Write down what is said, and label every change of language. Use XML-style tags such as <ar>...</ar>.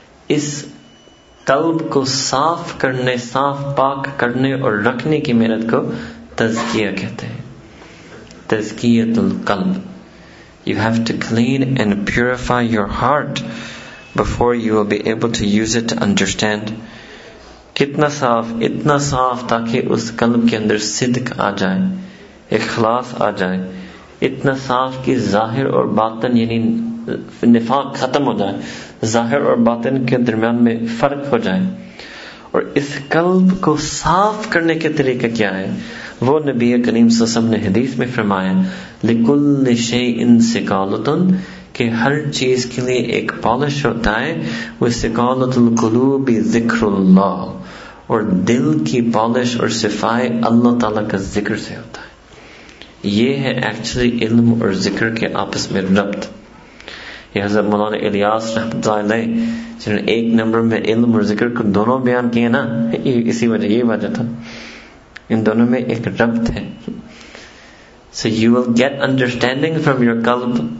<ur>Is قلب کو صاف کرنے, صاف پاک کرنے اور رکھنے کی محنت کو تزکیہ کہتے ہیں. تزکیت القلب.</ur> <en>You have to clean and purify your heart before you will be able to use it to understand.</en> <ur>کتنا صاف, اتنا صاف تاکہ اس قلب کے اندر صدق آ جائے, اخلاص آ جائے, اتنا صاف کہ ظاہر اور باطن یعنی نفاق ختم ہو جائے, ظاہر اور باطن کے درمیان میں فرق ہو جائے. اور اس قلب کو صاف کرنے کے طریقہ کیا ہے, وہ نبی کریم صلی اللہ علیہ وسلم نے حدیث میں فرمایا,</ur> <ar>لکل شیئن سکالتن,</ar> <ur>کہ ہر چیز کے لیے ایک پالش ہوتا ہے, وہ</ur> <ar>سکالت القلوب ذکر اللہ,</ar> <ur>اور دل کی پالش اور صفائی اللہ تعالیٰ کا ذکر سے ہوتا ہے. یہ ہے ایکچولی علم اور ذکر کے آپس میں ربط. یہ حضرت مولانا الیاس رحمت اللہ علیہ جنہوں نے ایک نمبر میں علم اور ذکر کو دونوں بیان کیے نا, اسی وجہ یہ وجہ تھا, ان دونوں میں ایک ربط ہے.</ur> <en>So you will get understanding from your qalb.</en>